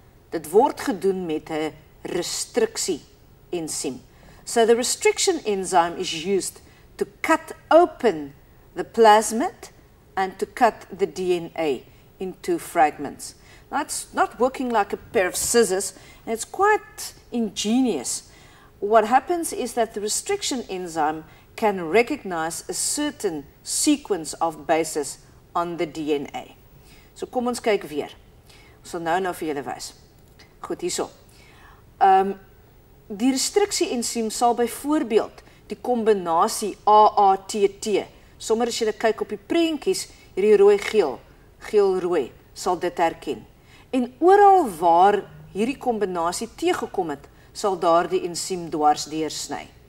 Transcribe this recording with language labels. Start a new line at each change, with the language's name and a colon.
Afrikaans: Dit word gedoen met 'n restriksie ensiem.
English: So the restriction enzyme is used to cut open the plasmid and to cut the DNA into fragments. Now it's not working like a pair of scissors, and it's quite ingenious. What happens is that the restriction enzyme can recognize a certain sequence of bases on the DNA.
Afrikaans: So kom ons kyk weer. Ons sal nou vir julle wys. Goed, hierso. Die restriksie ensiem sal byvoorbeeld die kombinasie AATT, sommer as jy kyk op die prentjies, hierdie rooi geel, geel rooi, sal dit herken. En oral waar hierdie kombinasie teëgekom het, sal daar die ensiem dwars deursny.